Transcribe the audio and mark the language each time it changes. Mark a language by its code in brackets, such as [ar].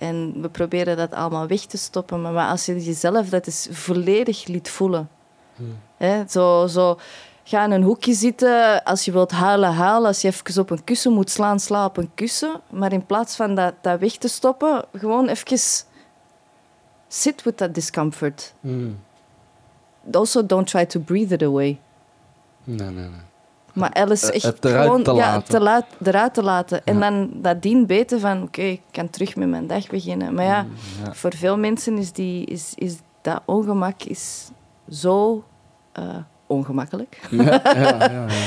[nl] En we proberen dat allemaal weg te stoppen. Maar als je jezelf dat eens volledig liet voelen... Mm. Zo... Ga in een hoekje zitten, als je wilt huilen, huil. Als je even op een kussen moet slaan, sla op een kussen. Maar in plaats van dat weg te stoppen, gewoon even [en] sit with that discomfort. Mm. Also, don't try to breathe it away. [nl] Nee. Maar alles echt gewoon eruit te laten. En dan nadien weten van, oké, ik kan terug met mijn dag beginnen. Maar voor veel mensen is dat ongemak is zo... ongemakkelijk. Ja.